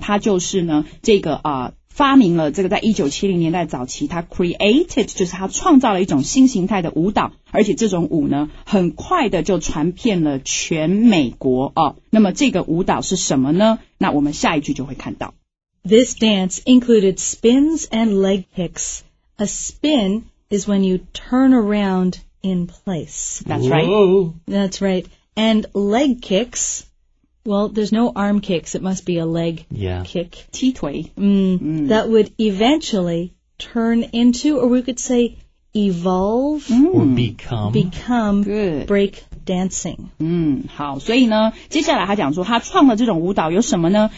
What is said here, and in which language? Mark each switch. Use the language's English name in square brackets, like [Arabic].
[Chinese] 他就是呢, 这个, 发明了这个 在1970年代早期 他 created 就是他创造了一种新形态的舞蹈 而且这种舞呢 很快的就传遍了全美国 哦, 那么这个舞蹈是什么呢? 那我们下一句就会看到 [English] This dance included spins and leg kicks. A spin is when you turn around in place. That's right. Whoa. That's right. And leg kicks... Well, there's no arm kicks. It must be a leg kick. Tee-tway. That would eventually turn into, or we could say, evolve. Or become. Become good. Break dancing. [Chinese] 好,所以呢,接下来他讲说,他创了这种舞蹈有什么呢?